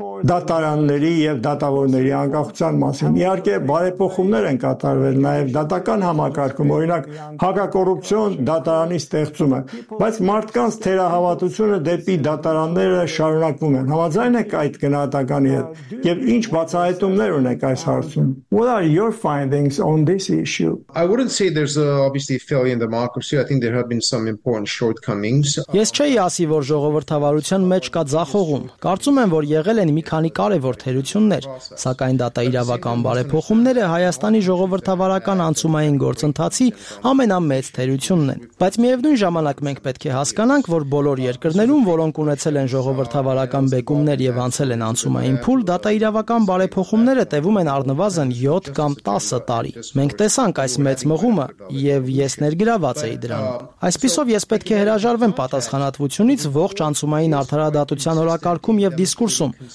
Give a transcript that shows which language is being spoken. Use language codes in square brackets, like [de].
[hy] դատարանների և դատավորների անկախության մասին։ Իհարկե բարեփոխումներ են կատարվել նաև դատական համակարգում, օրինակ հակակոռուպցիոն դատարանի ստեղծումը, բայց մարդկանց թերահավատությունը դեպի դատարանները շարունակվում են։ Համաձայն եք այդ գնահատականի հետ, և ինչ բացահայտումներ ունեք այս հարցում։ [en] What are your findings on this issue? I wouldn't say there's obviously a failure in democracy. I think there have been some important shortcomings. [hy] Ես չէի ասի, որ ժողովրդավարության մեջ կա ձախողում։ Կարծում եմ, որ եղել են մի քանի կարևոր թերություններ, սակայն դատաիրավական բարեփոխումները Հայաստանի ժողովրդավարական անցումային գործընթացի ամենամեծ թերությունն են։ Բայց միևնույն ժամանակ մենք պետք է հասկանանք, որ բոլոր երկրներում, որոնք ունեցել են ժողովրդավարական բեկումներ եւ անցել են անցումային փուլ, դատաիրավական բարեփոխումները տևում են առնվազն 7 կամ 10 տարի։ Մենք տեսանք այս մեծ մղումը եւ ես ներգրաված էի դրանում։ Այսպիսով ես պետք է հրաժարվեմ պատասխանատվությունից ողջ անցումային արդարադատության օրակարգում եւ դիսկուրսում,